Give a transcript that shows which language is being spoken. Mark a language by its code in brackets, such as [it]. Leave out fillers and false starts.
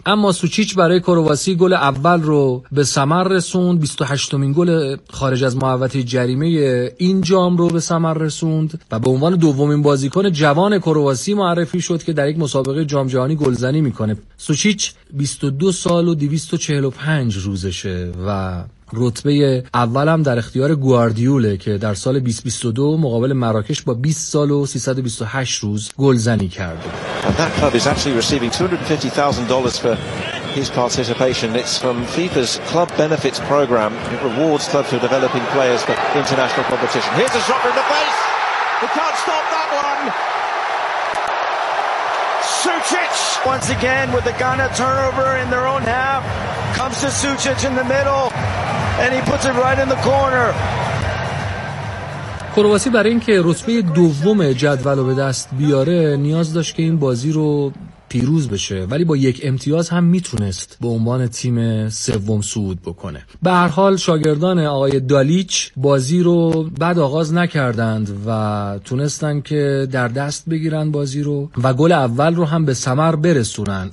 [fa] اما سوچیچ برای کرواسی گل اول رو به ثمر رسوند، 28مین گل خارج از محوطه جریمه این جام رو به ثمر رسوند و به عنوان دومین بازیکن جوان کرواسی معرفی شد که در یک مسابقه جام جهانی گلزنی می‌کنه. سوچیچ 22 سال و 245 روزشه و رتبه اول هم در اختیار گواردیوله که در سال 2022 مقابل مراکش با 20 سال و 328 روز گلزنی کرده. [en] That club is actually receiving $250,000 for his participation. It's from FIFA's club benefits program. It rewards clubs for developing players for international competition. Here's a shot in the face. He can't stop that one. Suchich once again with the Ghana turnover in their own half comes to Suchich in the middle and he puts it right in the corner. [fa] کرواسی برای اینکه رتبه دوم جدول رو به دست بیاره نیاز داشت که این بازی رو پیروز بشه، ولی با یک امتیاز هم میتونست به عنوان تیم سوم صعود بکنه. به هر حال شاگردان آقای دالیچ بازی رو بد آغاز نکردند و تونستن که در دست بگیرن بازی رو و گل اول رو هم به ثمر برسونن.